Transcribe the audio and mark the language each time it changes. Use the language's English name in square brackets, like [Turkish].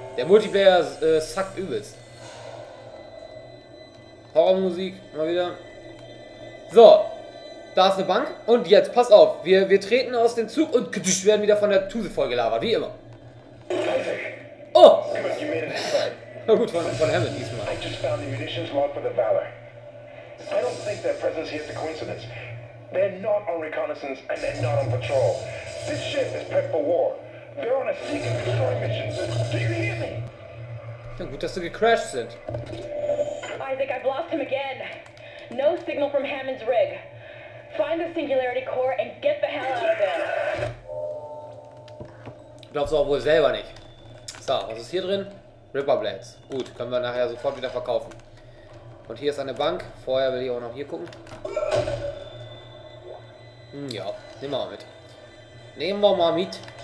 [German] Der Multiplayer suckt übelst. Horrormusik, mal wieder. So, da ist eine Bank. Und jetzt, pass auf, wir treten aus dem Zug und werden wieder von der Tuse vollgelabert, wie immer. Oh! Na gut, von Hammond diesmal. [English] I just found the munitions log for the Valor. I don't think their presence here is a coincidence. They're not on reconnaissance and they're not on patrol. This ship is prepped for war. They're on a seek and destroy mission. Do you hear me? [German] Na gut, dass sie gecrashed sind. [English] Isaac, I've lost him again. No signal from Hammond's rig. Find the Singularity Core and get the hell out of there. [German] Glaubst du auch wohl selber nicht. So, was ist hier drin? Ripper Blades. Gut, können wir nachher sofort wieder verkaufen. Und hier ist eine Bank. Vorher will ich auch noch hier gucken. Ja, nehmen wir mal mit. Nehmen wir mal mit.